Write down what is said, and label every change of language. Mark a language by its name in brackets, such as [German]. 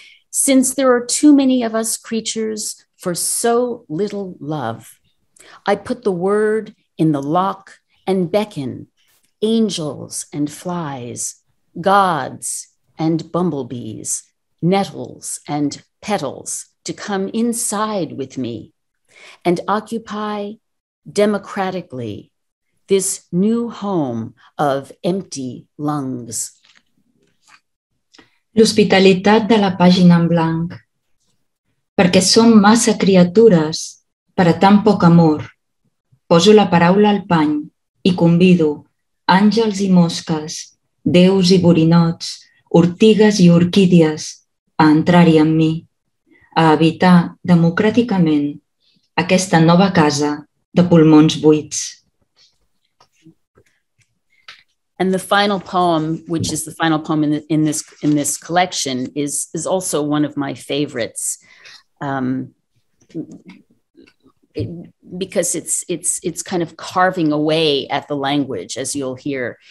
[English] Since there are too many of us creatures for so little love, I put the word in the lock and beckon angels and flies, gods and bumblebees, nettles and petals to come inside with me and occupy democratically this new home of empty lungs. [Catalan] L'hospitalitat de la pàgina en blanc, perquè som massa criatures per a tan poc amor. Poso la paraula al pany i convido àngels i mosques, déus i borinots, ortigues i orquídies a entrar-hi amb mi, a habitar democràticament aquesta nova casa de pulmons buits. [English] And the final poem, which is the final poem in this collection, is also one of my favorites, because it's kind of carving away at the language, as you'll hear.